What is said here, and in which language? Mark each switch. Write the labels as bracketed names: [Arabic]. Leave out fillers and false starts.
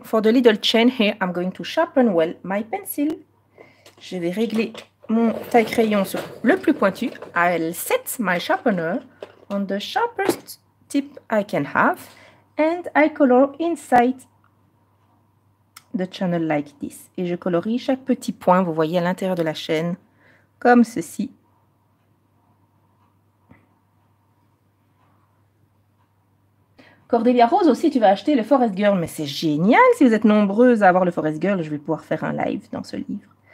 [English] For the little chain here, I'm going to sharpen well my pencil. [French] Je vais régler mon taille-crayon sur le plus pointu. [English] I'll set my sharpener on the sharpest tip I can have. And I color inside the channel like this. [French] Et je colorie chaque petit point, vous voyez, à l'intérieur de la chaîne, comme ceci. Cordélia Rose aussi, tu vas acheter le Forest Girl. Mais c'est génial si vous êtes nombreuses à avoir le Forest Girl, je vais pouvoir faire un live dans ce livre.